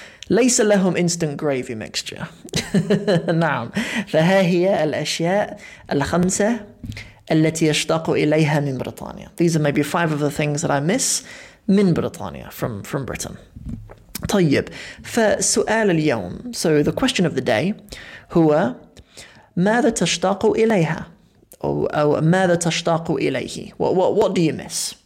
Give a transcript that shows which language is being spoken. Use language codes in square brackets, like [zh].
[ar] ليس لهم [en] instant gravy mixture. [ar] نعم. فها هي الأشياء الخمسة التي يشتاق إليها من بريطانيا. [en] These are maybe five of the things that I miss [ar] من بريطانيا, [en] from Britain. [ar] طيب. فسؤال اليوم. [en] So the question of the day [ar] هو ماذا تشتاق إليها؟ أو ماذا تشتاق إليه؟ [en] What do you miss?